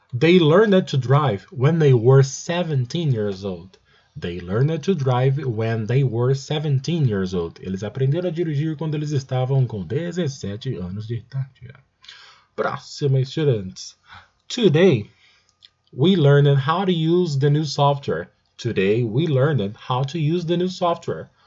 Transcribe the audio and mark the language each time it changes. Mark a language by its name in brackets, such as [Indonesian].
[English] They learned to drive when they were 17 years old. They learned to drive when they were 17 years old. [Portuguese] Eles aprenderam a dirigir quando eles estavam com 17 anos de idade. Próximo, [English] students. Today, we learned how to use the new software. Today, we learned how to use the new software.